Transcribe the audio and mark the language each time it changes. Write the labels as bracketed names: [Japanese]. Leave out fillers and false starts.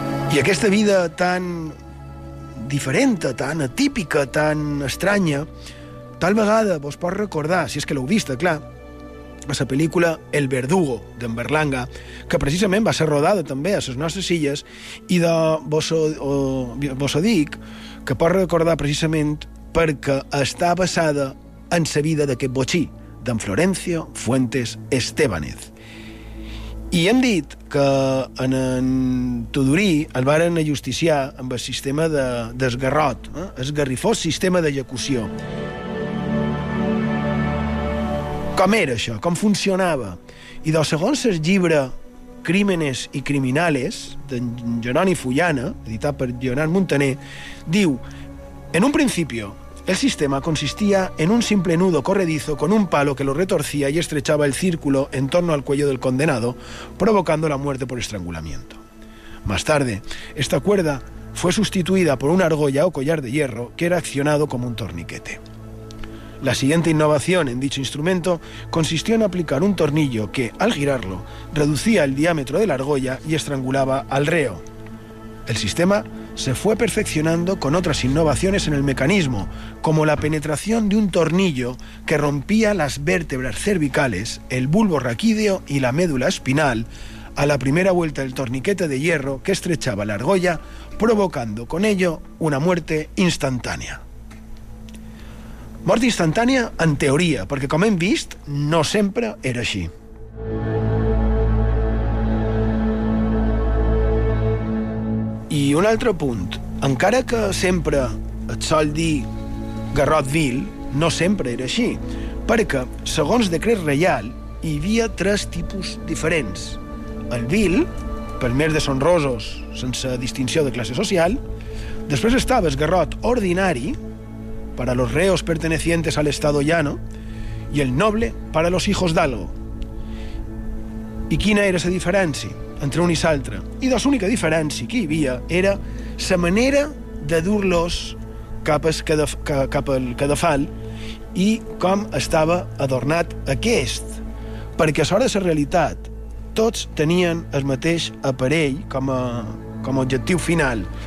[Catalan] I aquesta vida tan diferent, tan atípica, tan estranya, tal vegada vos pot recordar, si és que l'heu vist, clar, a la pel·lícula El Verdugo, d'en Berlanga, que precisament va ser rodada també a les nostres illes, i de vos ho dic, que pot recordar precisament perquè està basada en la vida d'aquest botxí, d'en Florencio Fuentes Estebanez. I hem dit que en Tudurí el varen ajusticiar amb el sistema d'esgarrot, esgarrifós sistema d'execució. Com era això? Com funcionava? I del segons el llibre Crímenes i Criminales, d'en Jeroni Fullana, editat per Leonard Montaner, diu: [Spanish] en un principio, el sistema consistía en un simple nudo corredizo con un palo que lo retorcía y estrechaba el círculo en torno al cuello del condenado, provocando la muerte por estrangulamiento. Más tarde, esta cuerda fue sustituida por una argolla o collar de hierro que era accionado como un torniquete. La siguiente innovación en dicho instrumento consistió en aplicar un tornillo que, al girarlo, reducía el diámetro de la argolla y estrangulaba al reo. El sistema se fue perfeccionando con otras innovaciones en el mecanismo, como la penetración de un tornillo que rompía las vértebras cervicales, el bulbo raquídeo y la médula espinal a la primera vuelta del torniquete de hierro que estrechaba la argolla, provocando con ello una muerte instantánea. [Catalan] Mort instantània, en teoria, perquè, com hem vist, no sempre era així. I un altre punt. Encara que sempre et sol dir garrot vil, no sempre era així, perquè, segons decret reial, hi havia tres tipus diferents. El vil, pel més deshonrosos, sense distinció de classe social. Després estava el garrot ordinari, [Spanish] para los reos pertenecientes al estado llano, y el noble para los hijos d'algo. [Catalan] I quina era la diferència entre un i l'altre? I la única diferència que hi havia era la manera de dur-los cap al cadafal i com estava adornat aquest. Perquè a l'hora de la realitat, tots tenien el mateix aparell com a objectiu final.